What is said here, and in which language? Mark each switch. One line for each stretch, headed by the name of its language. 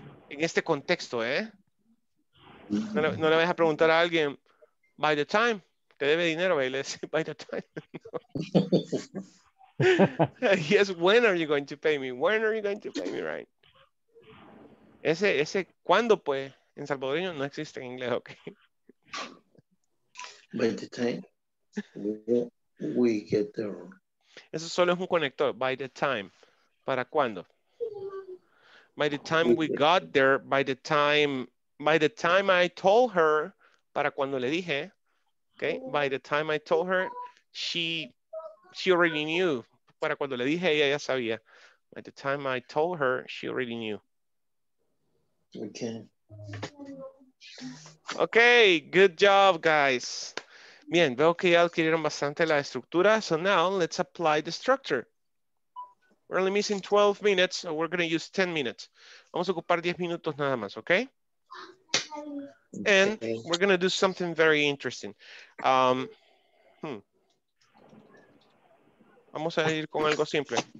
Spanish: En este contexto, ¿eh? No, no le vas a preguntar a alguien,
English: by the time.
Spanish: Te debe dinero, ¿eh? Le dice,
English: by the time. Yes, when are you going to pay me? When are you going to pay me, right?
Spanish: Ese cuándo, pues, en salvadoreño no existe en inglés, ¿ok?
English: By the time we get there.
Spanish: Eso solo es un conector.
English: By the time.
Spanish: ¿Para cuándo?
English: By the time we got there. By the time I told her.
Spanish: Para cuando le dije.
English: Okay. By the time I told her, she already knew.
Spanish: Para cuando le dije, ella ya sabía.
English: By the time I told her, she already knew. Okay. Okay, good job, guys.
Spanish: Bien, veo que ya adquirieron bastante la estructura.
English: So now, let's apply the structure. We're only missing 12 minutes, so we're going to use 10 minutes.
Spanish: Vamos a ocupar 10 minutos nada más,
English: okay? And we're going to do something very interesting.
Spanish: Vamos a ir con algo simple.